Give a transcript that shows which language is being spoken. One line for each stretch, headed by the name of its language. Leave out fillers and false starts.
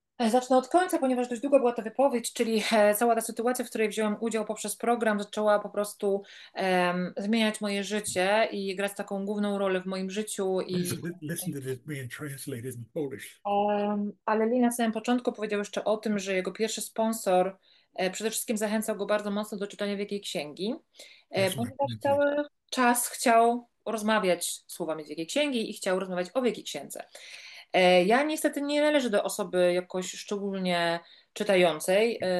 Polish: Zacznę od końca, ponieważ dość długo była ta wypowiedź, czyli cała ta sytuacja, w której wziąłem udział poprzez program, zaczęła po prostu zmieniać moje życie i grać taką główną rolę w moim życiu.
English: Listen to this being translated in Polish.
Polish: Ale Lee na samym początku powiedział jeszcze o tym, że jego pierwszy sponsor przede wszystkim zachęcał go bardzo mocno do czytania Wielkiej Księgi,
English: That's
Polish: ponieważ
English: my thing.
Polish: cały czas chciał rozmawiać słowami z Wielkiej Księgi i chciał rozmawiać o Wielkiej Księdze. Ja niestety nie należę do osoby jakoś szczególnie czytającej.